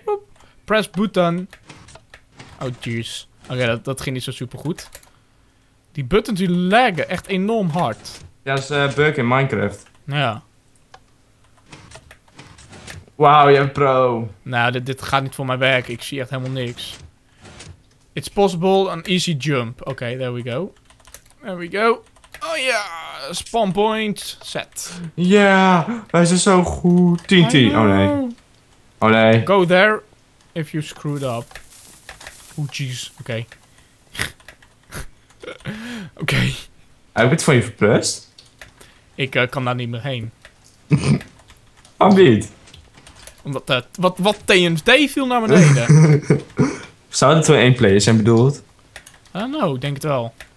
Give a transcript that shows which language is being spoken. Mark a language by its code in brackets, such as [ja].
[en] Woep. Press button. Oh, jeez. [nl] Oké, dat ging niet zo super goed. Die buttons die laggen echt enorm hard. Ja, dat is bug in Minecraft. Ja. Wauw, je bent pro. Nou, dit gaat niet voor mij werken. Ik zie echt helemaal niks. [en] It's possible an easy jump. Oké, there we go. There we go. Oh ja, spawn point set. [nl] Ja, wij zijn zo goed. TNT, oh nee. Oh nee. [en] Go there if you screwed up. Oh jeez, oké. Oké. [nl] Heb ik het van je verplust? Ik kan daar niet meer heen. Waarom niet? Omdat wat TNT viel naar beneden. Zou het 2-1 player zijn bedoeld? Nou, ik denk het wel.